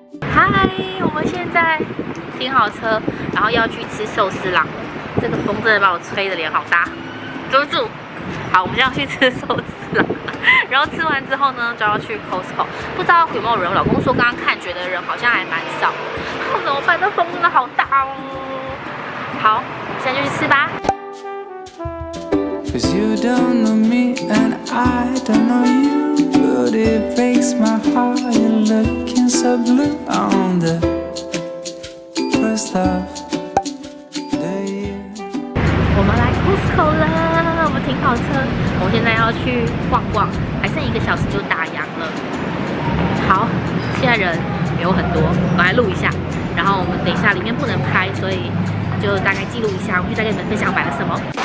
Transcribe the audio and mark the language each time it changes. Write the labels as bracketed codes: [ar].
[zh] 嗨，我们现在停好车，然后要去吃寿司郎，这个风真的把我吹的脸好大，遮住。好，我们就要去吃寿司了。然后吃完之后呢，就要去 Costco。不知道有没有人？我老公说刚刚看觉得人好像还蛮少的。怎么办？这风真的好大哦。好，我们现在就去吃吧。 [en] Cause you don't know me and I don't know you, but it breaks my heart. You're looking so blue on the first of the year. [zh] 我们来 Costco 了。我们停好车，我现在要去逛逛，还剩1个小时就打烊了。好，现在人有很多，我来录一下。然后我们等一下里面不能拍，所以就大概记录一下，我去再跟你们分享买了什么。